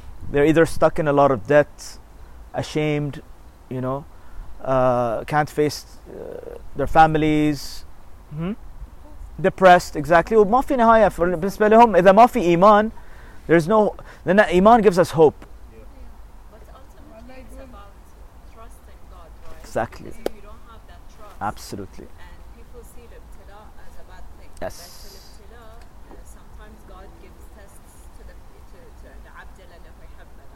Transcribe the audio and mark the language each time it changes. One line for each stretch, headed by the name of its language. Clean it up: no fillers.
English: They're either stuck in a lot of debt, ashamed, you know, can't face their families, depressed, exactly.
Arabic: وما في نهاية بالنسبة لهم إذا ما في إيمان.
English: There's no, then iman gives us hope. Yeah. Yeah. But ultimately it's about trusting God, right? Exactly. If you don't have that trust. Absolutely. And people see the ibtila as a bad thing. Yes. But the ibtila, sometimes God gives tests to the abd and the muhammad.